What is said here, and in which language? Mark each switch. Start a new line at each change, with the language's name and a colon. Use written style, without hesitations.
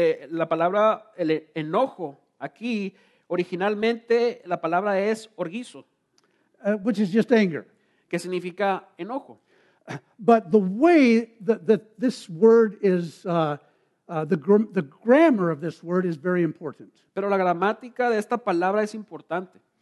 Spanish: La palabra el enojo aquí, originalmente la palabra es orgizo.
English: Which is just anger.
Spanish: Que significa enojo.
English: But the way that this word is, the grammar of this word is very important.
Spanish: Pero la gramática de esta palabra es importante.